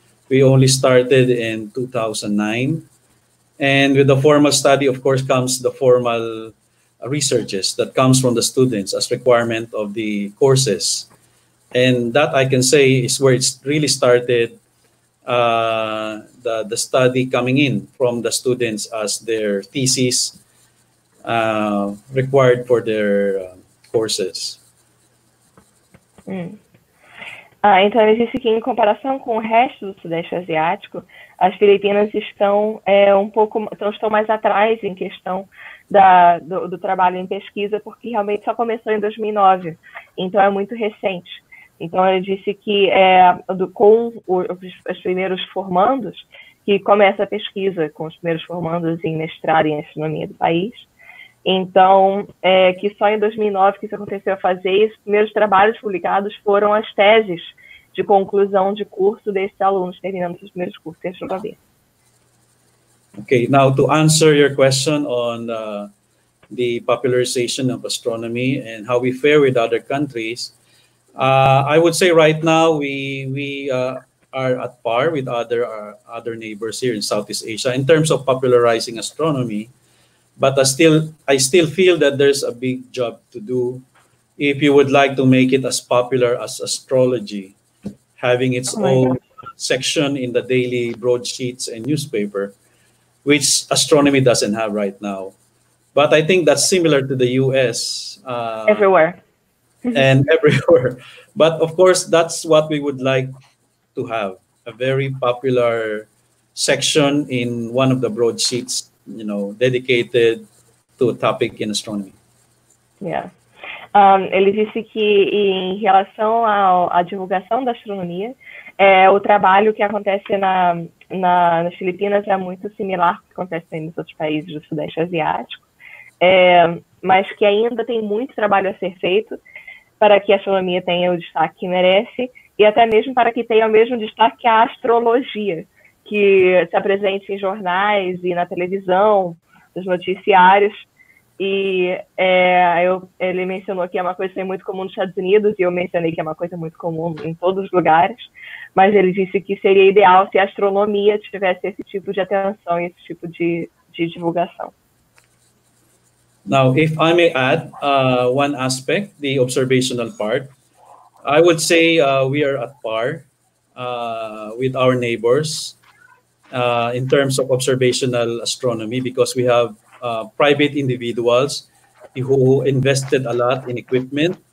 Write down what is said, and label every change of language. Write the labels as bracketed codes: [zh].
[en] We only started in 2009. And with the formal study, of course, comes the formal researches that comes from the students as requirement of the courses. And that, I can say, is where it's really started, the study coming in from the students as their thesis required for their courses. [pt] Então, ele disse que, em comparação com o resto do Sudeste Asiático, as Filipinas estão estão mais atrás em questão do trabalho em pesquisa, porque realmente só começou em 2009, então é muito recente. Então, ele disse que, com os primeiros formandos, que começa a pesquisa com os primeiros formandos em mestrado em astronomia do país, então, que só em 2009 que isso aconteceu a fazer, e os primeiros trabalhos publicados foram as teses de conclusão de curso desses alunos, terminando os primeiros cursos de astronomia. [en] Ok, now to answer your question on the popularization of astronomy and how we fare with other countries, I would say right now we are at par with other neighbors here in Southeast Asia in terms of popularizing astronomy. But I still feel that there's a big job to do if you would like to make it as popular as astrology, having its own section in the daily broadsheets and newspaper, which astronomy doesn't have right now. But I think that's similar to the US. Everywhere. And everywhere. But of course, that's what we would like to have, a very popular section in one of the broadsheets, you know, dedicated to a topic in astronomy. Yeah. [pt] Ele disse que, em relação à divulgação da astronomia, o trabalho que acontece nas Filipinas é muito similar ao que acontece nos outros países do Sudeste Asiático, mas que ainda tem muito trabalho a ser feito para que a astronomia tenha o destaque que merece e até mesmo para que tenha o mesmo destaque que a astrologia, que se apresente em jornais e na televisão, nos noticiários. E ele mencionou que é uma coisa muito comum nos Estados Unidos, e eu mencionei que é uma coisa muito comum em todos os lugares, mas ele disse que seria ideal se a astronomia tivesse esse tipo de atenção e esse tipo de divulgação. [en] Now, if I may add one aspect, the observational part, I would say we are at par with our neighbors in terms of observational astronomy, because we have private individuals who invested a lot in equipment